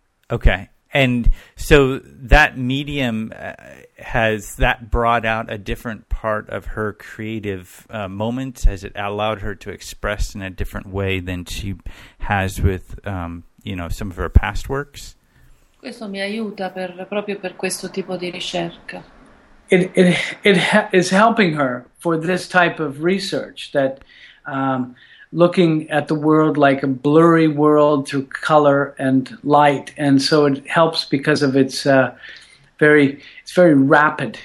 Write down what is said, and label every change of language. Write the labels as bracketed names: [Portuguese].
[English] Okay. And so that medium has that brought out a different part of her creative moments? Has it allowed her to express in a different way than she has with some of her past works? [Italian] Questo mi aiuta proprio per questo tipo di ricerca. [English] It is helping her for this type of research that looking at the world like a blurry world through color and light, and so it helps because of it's very rapid.